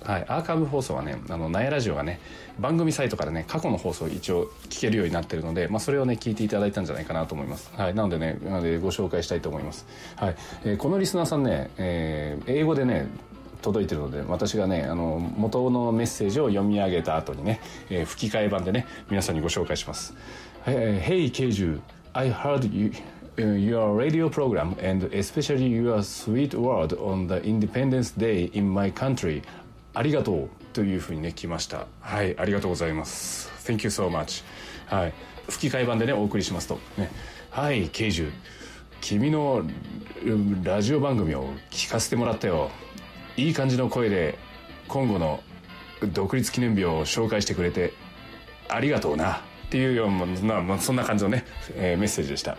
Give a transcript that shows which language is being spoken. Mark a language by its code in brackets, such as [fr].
[ja] はい、アーカイブ放送はね、ナイラジオがね、番組サイトからね、過去の放送を一応聞けるようになってるので、それをね、聞いていただいたんじゃないかなと思います。はい、なのでご紹介したいと思います。はい、このリスナーさんね、英語でね、届いてるので、私がね、元のメッセージを読み上げた後にね、吹き替え版でね、皆さんにご紹介します。 [en] Hey Keiju, I heard your radio program and especially your sweet word on the Independence Day in my country. [ja] ありがとうというふうにね、来ました。はい、ありがとうございます。 [en] Thank you so much。 [ja] はい、吹き替え版でね、お送りしますと、ね、Hey Keiju, 君のラジオ番組を聞かせてもらったよ。いい感じの声で今後の独立記念日を紹介してくれてありがとうなっていうような、そんな感じのね、メッセージでした。